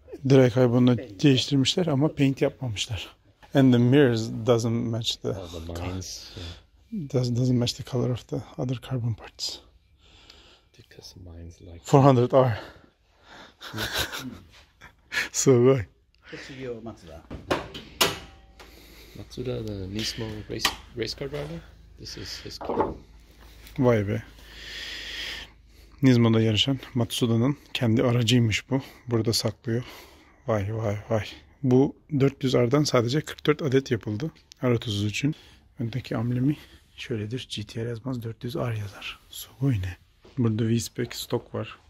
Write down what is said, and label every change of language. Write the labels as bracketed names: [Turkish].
[Turkish] Drag bunu değiştirmişler ama paint yapmamışlar. [English] And the mirrors doesn't match the lines. Doesn't match the color of the other carbon parts. Because mine's like 400R. So good. What's your Matsuda? Matsuda, the Nismo race car driver. This is his car. [Turkish] Vay be. Nismo'da yarışan Matsuda'nın kendi aracıymış bu. Burada saklıyor. Vay vay vay. Bu 400R'dan sadece 44 adet yapıldı. R33 için. Öndeki amblemi şöyledir. GTR yazmaz, 400R yazar. [Japanese] Sugoi ne? [Turkish] Burada V-Spec stok var.